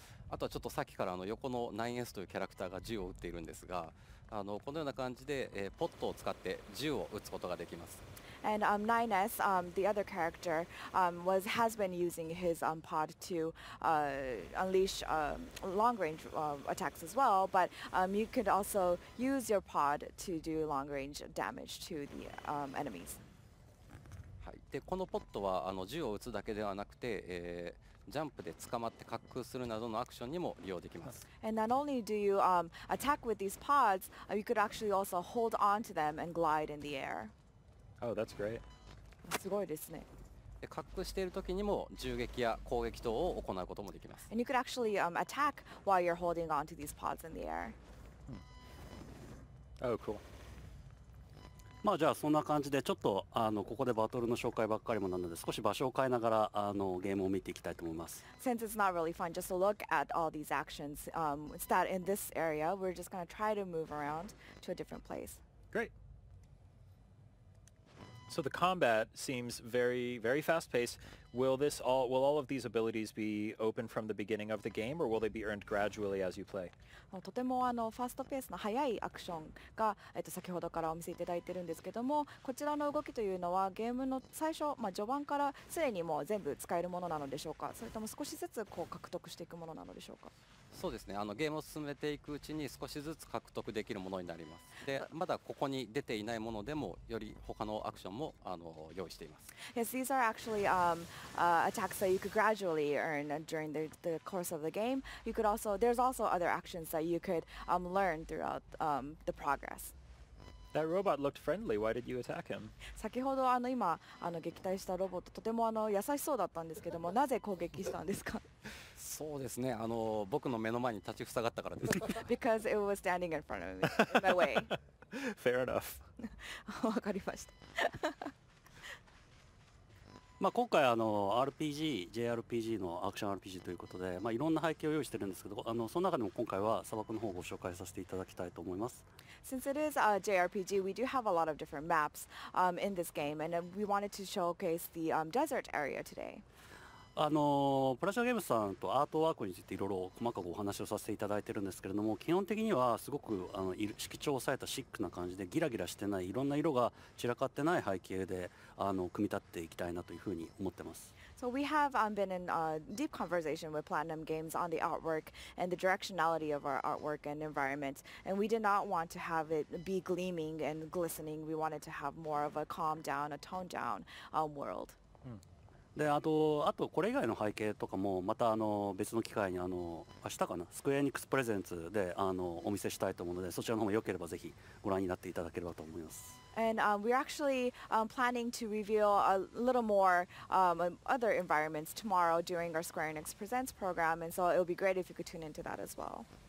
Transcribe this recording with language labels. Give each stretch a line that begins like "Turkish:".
Japanese: あとはちょっとさっきからあの横の 9S というキャラクターが銃を撃っているんですが、あのこのような感じで、ポットを使って銃を撃つことができます。
English: And 9S, the other character, has been using his pod to unleash long-range attacks as well, but you could also use your pod to do long-range damage to the enemies.
Japanese: でこのポットはあの銃を撃つだけではなくて、ジャンプで捕まって滑空するなどのアクションにも利用できます。
English: And not only do you attack with these pods, you could actually also hold on to them and glide in the air. Oh, that's great.
Japanese: すごいですね。で滑空している時にも銃撃や攻撃等を行うこともできます。
English: And you could actually attack while you're holding on to these pods in the air. Oh, cool.
Japanese: まあ、じゃあそんな感じでちょっとあのここでバトルの紹介ばっかりもなので少し場所を変えながらあのゲームを見ていきたいと思います。
English: Since it's not really fun just to look at all these actions, start in this area. We're just going to try to move around to a different place. Great. So the combat seems very, very fast-paced. Will all of these abilities be open from the beginning of the game, or will they be earned gradually as you play?
Japanese: とてもあのファーストペースの速いアクションが、先ほどからお見せいただいているんですけども、こちらの動きというのはゲームの最初、まあ、序盤からすでにもう全部使えるものなのでしょうか、それとも少しずつこう獲得していくものなのでしょうか。そうですね、あのゲームを進めていくうちに少しずつ獲得できるものになります。でまだここに出ていないものでもより他のアクションもあの用意しています。
English: Yes, these are actually attacks that you could gradually earn during the course of the game. You could also, there's also other actions that you could learn throughout the progress. That robot looked friendly. Why did you attack him?
Japanese: 先ほどあの今あの撃退したロボットとてもあの優しそうだったんですけどもなぜ攻撃したんですか。そうですね、あの僕の目の前に立ちふさがったからです。
English: Because it was standing in front of me, in my way. Fair enough.
Japanese: わかりました。まあ、今回あの RPG、JRPG のアクション RPG ということで、まあ、いろんな背景を用意しているんですけど、あのその中でも今回は砂漠の方をご紹介させていただきたいと思います。
English: Since it is a JRPG, we do have a lot of different maps in this game, and we wanted to showcase the desert area today.
Japanese: あのプラチナゲームさんとアートワークについていろいろ細かくお話をさせていただいているんですけれども、基本的にはすごくあの色調を抑えたシックな感じでギラギラしてないいろんな色が散らかってない背景であの組み立っていきたいなというふうに思ってます。
English: So we have been in a deep conversation with Platinum Games on the artwork and the directionality of our artwork and environment. And we did not want to have it be gleaming and glistening. We wanted to have more of a calm down, a toned down world.
Japanese: あとこれ以外の背景とかもまたあの別の機会にあの明日かなスクエアニックスプレゼンツであのお見せしたいと思うので、そちらの方もよければぜひご覧になっていただければと思います。
English: And we're actually planning to reveal a little more other environments tomorrow during our Square Enix Presents program, and so it'll be great if you could tune into that as well.